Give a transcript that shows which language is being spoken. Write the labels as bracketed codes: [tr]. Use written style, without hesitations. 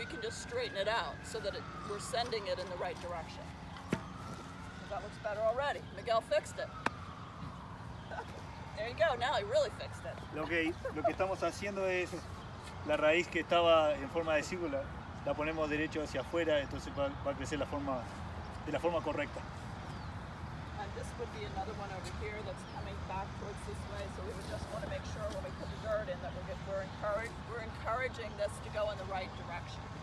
[en] Straighten it out so that we're sending it in the right direction. That looks better already. Miguel fixed it. There you go. Now he really fixed it. [es] Lo que estamos haciendo es la raíz que estaba en forma de círculo la ponemos derecho hacia afuera, entonces va a crecer de la forma correcta. [en] And this would be another one over here that's coming back towards this way. So we would just want to make sure when we put the dirt in that we're encouraging this to go in the right direction.